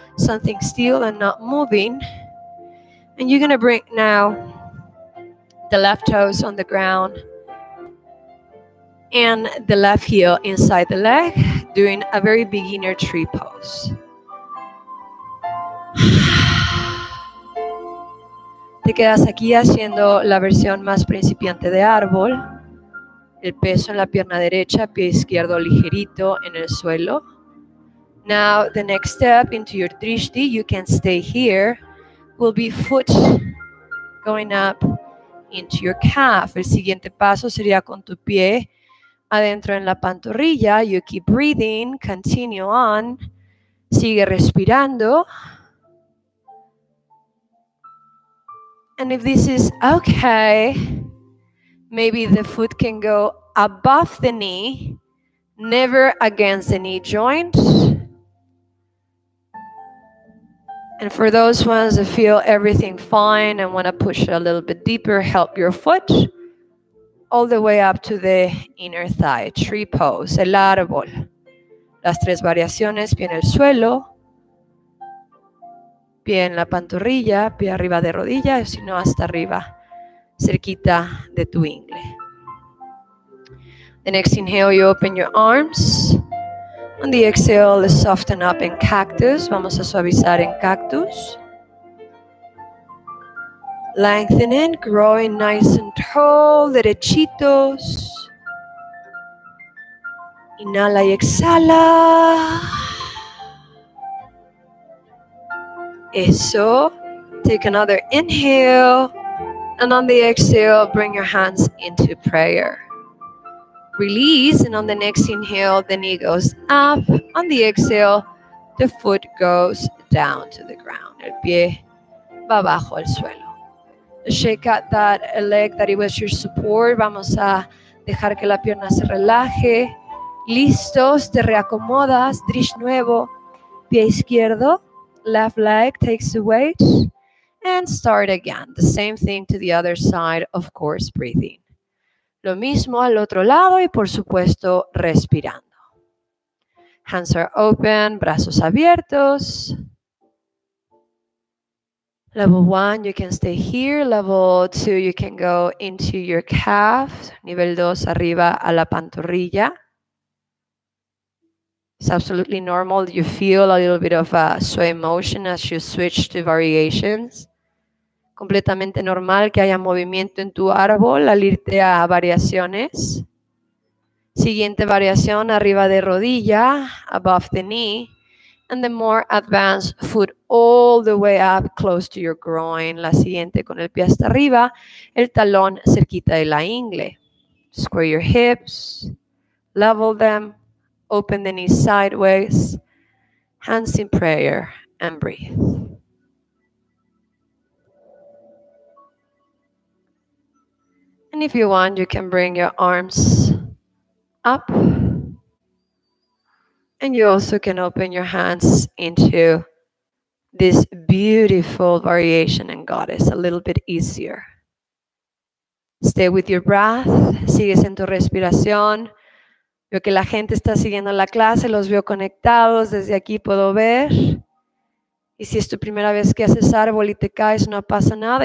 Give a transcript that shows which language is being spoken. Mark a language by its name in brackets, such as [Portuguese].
[English] Something still and not moving. And you're going to bring now the left toes on the ground and the left heel inside the leg, doing a very beginner tree pose. [Spanish] Te quedas aquí haciendo la versión más principiante de árbol. El peso en la pierna derecha, pie izquierdo ligerito en el suelo. [English] Now, the next step into your Drishti, you can stay here, will be foot going up into your calf. [Spanish] El siguiente paso sería con tu pie adentro en la pantorrilla. [English] You keep breathing, continue on. [Spanish] Sigue respirando. [English] And if this is okay, maybe the foot can go above the knee, never against the knee joint. And for those ones that feel everything fine and want to push a little bit deeper, help your foot all the way up to the inner thigh. Tree pose, [Spanish] el árbol. Las tres variaciones, pie en el suelo, pie en la pantorrilla, pie arriba de rodilla, o si no, hasta arriba, cerquita de tu ingle. [English] The next inhale, you open your arms. On the exhale, let's soften up in cactus. Vamos a suavizar en cactus. Lengthening, growing nice and tall, [Spanish] derechitos. Inhala y exhala. Eso. [English] Take another inhale. And on the exhale, bring your hands into prayer. Release, and on the next inhale, the knee goes up. On the exhale, the foot goes down to the ground. [Spanish] El pie va bajo el suelo. [English] Shake out that leg that it was your support. [Spanish] Vamos a dejar que la pierna se relaje. Listos, te reacomodas. Drish nuevo. Pie izquierdo. [English] Left leg takes the weight. And start again. The same thing to the other side, of course, breathing. [Spanish] Lo mismo al otro lado y, por supuesto, respirando. [English] Hands are open, [Spanish] brazos abiertos. [English] Level one, you can stay here. Level two, you can go into your calf. [Spanish] Nivel dos, arriba a la pantorrilla. [English] It's absolutely normal. You feel a little bit of a sway motion as you switch to variations. [Spanish] Completamente normal que haya movimiento en tu árbol al irte a variaciones. Siguiente variación, arriba de rodilla, [English] above the knee. And the more advanced foot all the way up close to your groin. [Spanish] La siguiente con el pie hasta arriba, el talón cerquita de la ingle. [English] Square your hips, level them, open the knee sideways, hands in prayer, and breathe. And if you want, you can bring your arms up. And you also can open your hands into this beautiful variation in goddess, a little bit easier. Stay with your breath. [Spanish] Sigues en tu respiración. Veo que la gente está siguiendo la clase. Los veo conectados. Desde aquí puedo ver. Y si es tu primera vez que haces árbol y te caes, no pasa nada.